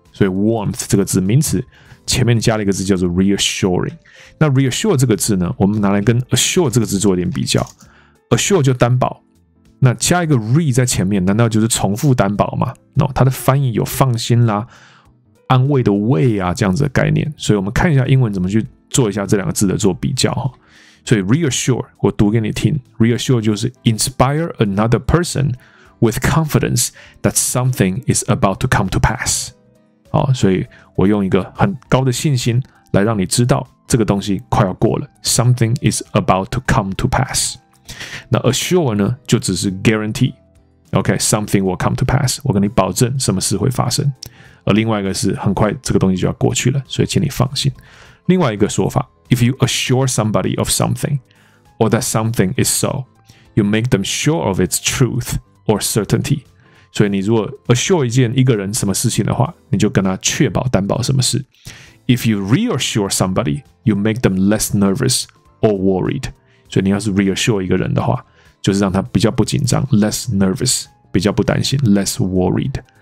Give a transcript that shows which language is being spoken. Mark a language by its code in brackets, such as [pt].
[zh] 所以 warmth 这个字名词。前面加了一个字叫做 reassuring， 那 reassure 这个字呢，我们拿来跟 assure 这个字做一点比较。 assure 就担保，那加一个 re 在前面，难道就是重复担保吗 ？No， 它的翻译有放心啦、安慰的慰啊这样子的概念。所以我们看一下英文怎么去做一下这两个字的做比较哈。 [en] 所以 reassure [zh] 我读给你听 [en] ，reassure 就是 inspire another person with confidence that something is about to come to pass。 [zh] 好，所以我用一个很高的信心来让你知道这个东西快要过了。 [en] Something is about to come to pass。 那 assure 呢， [zh] 就只是 [en] guarantee。 OK， something will come to pass。 [zh] 我跟你保证什么事会发生。而另外一个是很快这个东西就要过去了，所以请你放心。另外一个说法 [en] ，If you assure somebody of something or that something is so, you make them sure of its truth or certainty。 [zh] 所以你如果 assure 一个人什么事情的话，你就跟他确保担保什么事。 [en] If you reassure somebody, you make them less nervous or worried。 [zh] 所以你要是 reassure 一个人的话，就是让他比较不紧张 ， [en] less nervous， [zh] 比较不担心 ， [en] less worried。